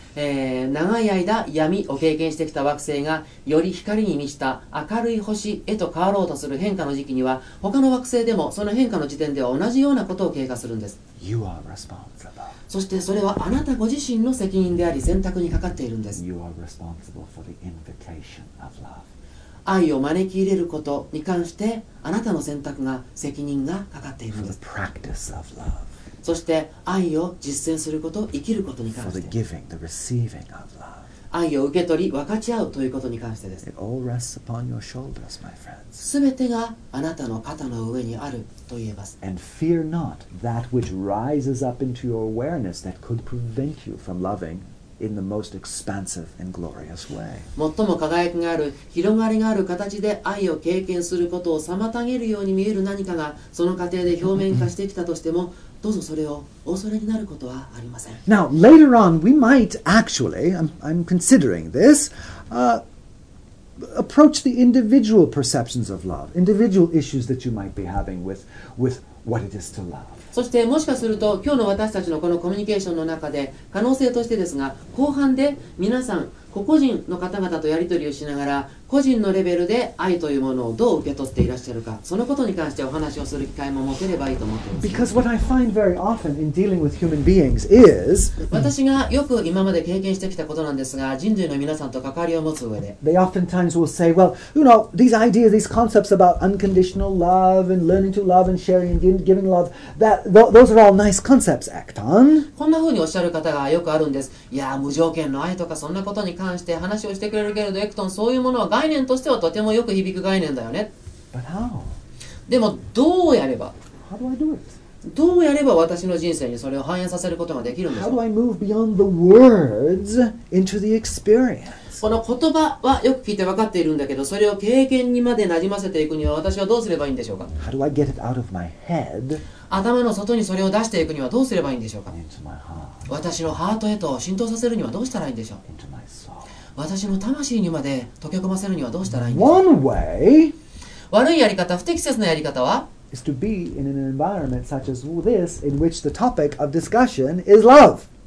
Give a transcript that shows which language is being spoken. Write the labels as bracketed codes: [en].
[ja] 長い間闇を経験してきた惑星がより光に満ちた明るい星へと変わろうとする変化の時期には、他の惑星でもその変化の時点では同じようなことを経過するんです。 [en] You are responsible. [ja] そしてそれはあなたご自身の責任であり選択にかかっているんです。 [en] You are responsible for the invitation of love. [ja] 愛を招き入れることに関してあなたの選択が責任がかかっているんです。 [en] For the practice of love. [ja] そして愛を実践すること生きることに関して [en] For the giving, the receiving of love. [ja] 愛を受け取り分かち合うということに関してです。 [en] It all rests upon your shoulders, my friends. [ja] 全てがあなたの肩の上にある [en] And fear not that which rises up into your awareness that could prevent you from loving in the most expansive and glorious way. [ja] 最も輝きがある、広がりがある形で愛を経験することを妨げるように見える何かがその過程で表面化してきたとしても、どうぞそれを恐れになることはありません。 [en] Now, later on, we might actually, I'm considering this, approach the individual perceptions of love, individual issues that you might be having with what it is to love. [ja] そしてもしかすると今日の私たちのこのコミュニケーションの中で可能性としてですが、後半で皆さん個々人の方々とやり取りをしながら個人のレベルで愛というものをどう受け取っていらっしゃるか、そのことに関してお話をする機会も持てればいいと思っています。 [en] Because what I find very often in dealing with human beings is [ja] 私がよく今まで経験してきたことなんですが、人類の皆さんと関わりを持つ上で [en] They oftentimes will say, well, you know, these ideas, these concepts about unconditional love and learning to love and sharing and giving love, that, those are all nice concepts, Acton. [ja] こんな風におっしゃる方がよくあるんです。いや、無条件の愛とかそんなことに関して話をしてくれるけれど、エクトン、そういうものは概念としてはとてもよく響く概念だよね。 [en] But how? [ja] でもどうやれば [en] How do I do it? [ja] どうやれば私の人生にそれを反映させることができるんでしょう。 [en] How do I move beyond the words into the experience? [ja] この言葉はよく聞いて分かっているんだけど、それを経験にまでなじませていくには私はどうすればいいんでしょうか。 [en] How do I get it out of my head? [ja] 頭の外にそれを出していくにはどうすればいいんでしょうか。 [en] Into my heart. [ja] 私のハートへと浸透させるにはどうしたらいいんでしょう。 [en] Into my soul. [ja] 私の魂にまで溶け込ませるにはどうしたらいいんですか。 [en] One way [ja] 悪いやり方、不適切なやり方は [en] is to be in an environment such as this in which the topic of discussion is love.